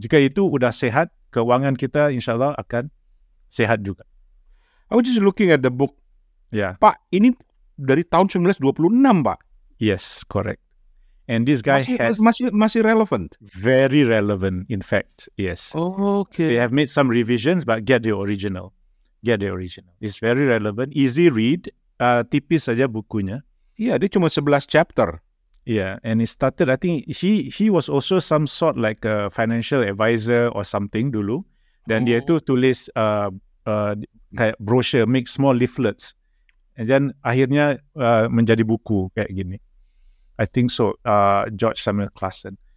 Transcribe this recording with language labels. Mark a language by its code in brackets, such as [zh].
[ms] Jika itu sudah sihat, keuangan kita insyaAllah akan sihat juga. [en] I was just looking at the book. Yeah. [id] Pak, ini dari tahun 1926, Pak. [en] Yes, correct. And this guy [id] masih relevant. [en] Very relevant, in fact, yes. Oh, okay. They have made some revisions, but get the original. Get the original. It's very relevant, easy read, [id] tipis saja bukunya. Yeah, dia cuma 11 chapter. [en] Yeah, and it started, I think he was also some sort like a financial advisor or something dulu. [id] Dan dia itu tulis kayak brochure, [en] make small leaflets. And then [id] akhirnya menjadi buku kayak gini. [en] I think so, George Samuel Clason.